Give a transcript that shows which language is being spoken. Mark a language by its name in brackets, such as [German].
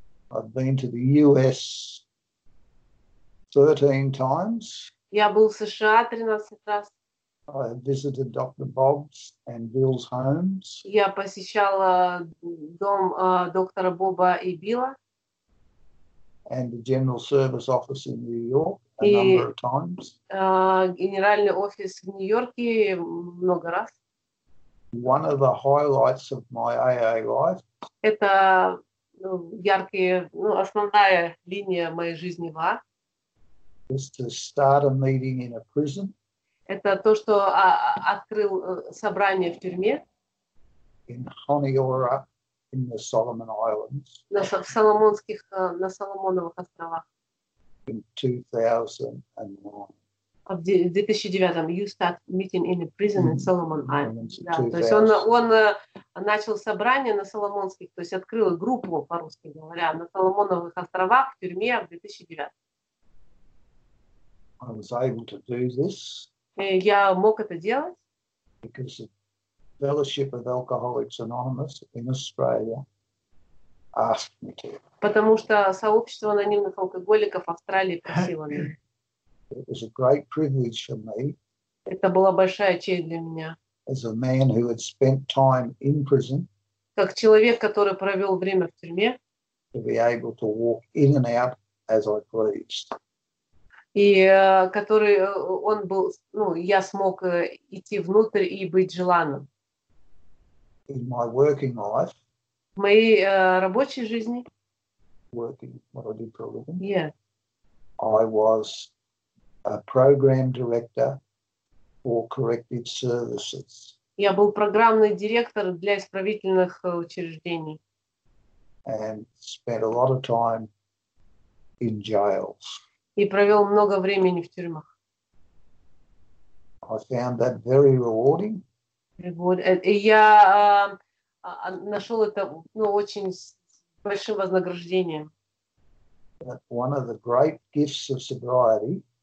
[English] I've been to the US 13 times. [Russian] Я был в США 13 раз. [English] I have visited Dr. Bob's and Bill's homes. [Russian] Я посещал дом доктора Боба и Билла. [English] And the General Service Office in New York a number of times. [Russian] Генеральный офис в Нью-Йорке много раз. [English] One of the highlights of my AA life. [Russian] Это основная линия моей жизни в AA. [English] Was to start a meeting in a prison. [Russian] Это то, что открыл собрание в тюрьме. [English] In Honiara, in the Solomon Islands. [Russian] На Соломоновых островах. [English] In 2009. [Russian] В 2009-м [English] you start meeting in a prison in Solomon Islands. [Russian] Да, то есть он начал собрание на Соломонских, то есть открыл группу, по-русски говоря, на Соломоновых островах в тюрьме в 2009. [English] I was able to do this. [Russian] Я мог это делать. [English] Because the Fellowship of Alcoholics Anonymous in Australia asked me to. [Russian] Потому что сообщество анонимных алкоголиков Австралии просило меня. [English] It was a great privilege for me. [Russian] Это была большая честь для меня. [English] As a man who had spent time in prison. [Russian] Как человек, который провел время в тюрьме. [English] To be able to walk in and out as I pleased. [Russian] И который он был, ну, я смог идти внутрь и быть желанным. [English] In my working life. [Russian] В моей рабочей жизни. [English] Working, what I did for a living. Yeah. I was a program director for corrective services. [Russian] Я был программный директор для исправительных учреждений. [English] And spent a lot of time in jails. [Russian] И провел много времени в тюрьмах. [English] I found that very rewarding. [Russian] Я нашел это, ну, очень с большим вознаграждением. [English] One of the great gifts of sobriety.